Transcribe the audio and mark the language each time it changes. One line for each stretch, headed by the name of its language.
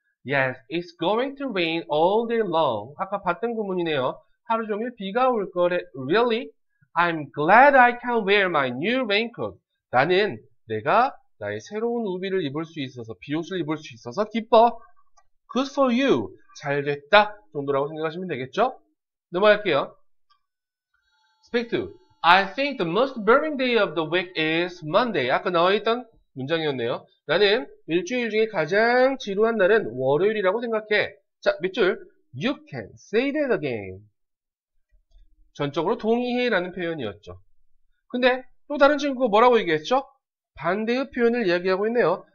English: Yes, it's going to rain all day long.
Korean: 아까 봤던 구문이네요. 하루 종일 비가 올 거래.
English: Really? I'm glad I can wear my new raincoat.
Korean: 나는 내가 나의 새로운 우비를 입을 수 있어서, 비옷을 입을 수 있어서 기뻐.
English: Good for you.
Korean: 잘 됐다. 정도라고 생각하시면 되겠죠? 넘어갈게요.
English: Speak two. I think the most boring day of the week is Monday.
Korean: 아까 나와 있던 문장이었네요. 나는 일주일 중에 가장 지루한 날은 월요일이라고 생각해. 자, 몇 줄?
English: You can say that again.
Korean: 전적으로 동의해라는 표현이었죠. 근데 또 다른 친구가 뭐라고 얘기했죠? 반대의 표현을 이야기하고 있네요.